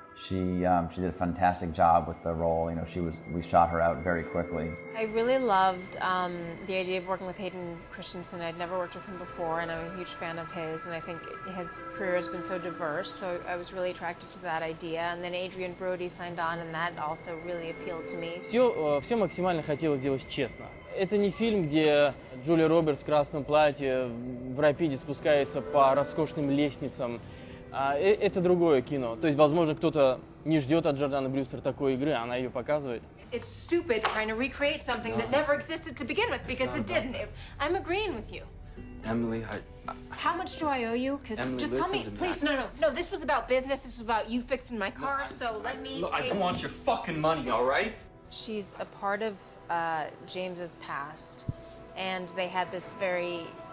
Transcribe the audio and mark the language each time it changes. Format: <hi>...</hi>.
<en>She did a fantastic job with the role. You know, we shot her out very quickly. I really loved the idea of working with Hayden Christensen. I'd never worked with him before, and I'm a huge fan of his, and I think his career has been so diverse, so I was really attracted to that idea. And then Adrian Brody signed on, and that also really appealed to me.</en> <ru>Все максимально хотелось сделать честно. Это не фильм, где Джулия Робертс в красном платье в рапиде спускается по роскошным лестницам. Это другое кино. То есть, возможно, кто-то не ждет от Джорданы Брюстер такой игры, она ее показывает.</ru> <en>It's stupid trying to recreate something that never existed to begin with, because it didn't. I'm agreeing with you. Emily, how much do I owe you? Because just tell me, please. No. This was about business. This was about you fixing my car. I don't want your fucking money. All right? She's a part of James's past, and they had this very.</en>